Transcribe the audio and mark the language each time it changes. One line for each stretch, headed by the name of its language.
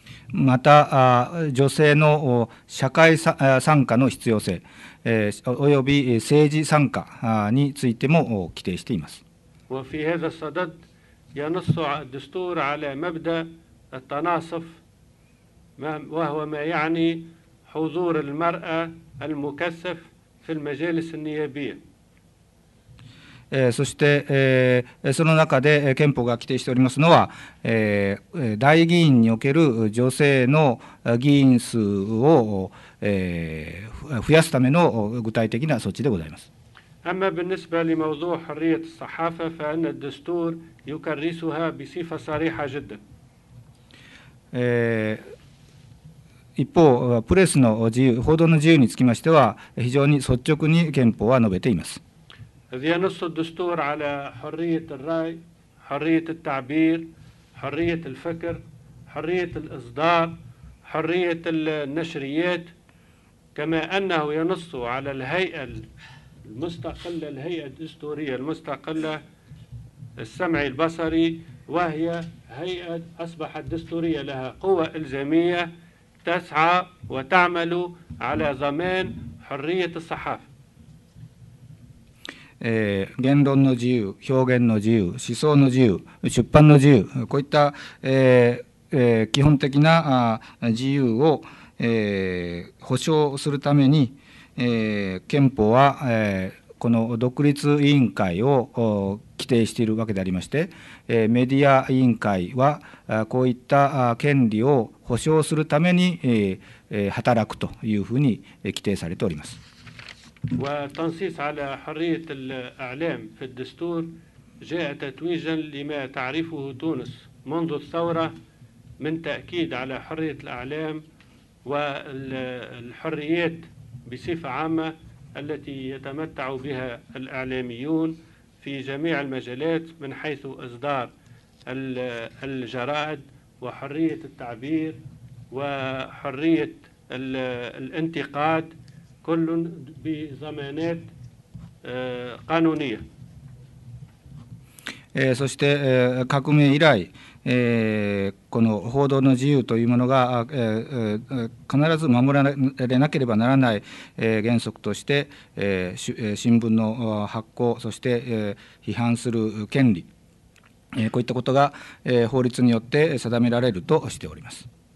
Japanese: また女性の社会参加の必要性および政治参加についても規定しています。
Arabic: وفي هذا الصدد ينص الدستور على مبدأ التناصف وهو ما يعني حضور المرأة المكثف في المجالس النيابية。
Japanese: そしてその中で憲法が規定しておりますのは、大議員における女性の議員数を増やすための具体的な措置でございます。
Arabic: أما بالنسبة لموضوع حرية الصحافة فإن الدستور يكرسها بصفة صريحة جدا。
Japanese: 一方プレスの自由、報道の自由につきましては非常に率直に憲法は述べています。
Arabic: إذ ينص الدستور على حرية الرأي، حرية التعبير، حرية الفكر، حرية الإصدار، حرية النشريات، كما أنه ينص على الهيئة المستقلة، الهيئة الدستورية المستقلة السمعي البصري، وهي هيئة أصبحت دستورية لها قوة إلزامية تسعى وتعمل على ضمان حرية الصحافة。
Japanese: 言論の自由、表現の自由、思想の自由、出版の自由、こういった基本的な自由を保障するために、憲法はこの独立委員会を規定しているわけでありまして、メディア委員会はこういった権利を保障するために働くというふうに規定されております。
Arabic: وتنصيص على حرية الإعلام في الدستور جاء تتويجا لما تعرفه تونس منذ الثورة من تأكيد على حرية الإعلام والحريات بصفة عامة التي يتمتع بها الإعلاميون في جميع المجالات من حيث إصدار الجرائد وحرية التعبير وحرية الانتقاد كل بضمانات قانونية。
Japanese: そして革命以来この報道の自由というものが必ず守られなければならない原則として新聞の発行、そして批判する権利、こういったことが法律によって定められるとしております。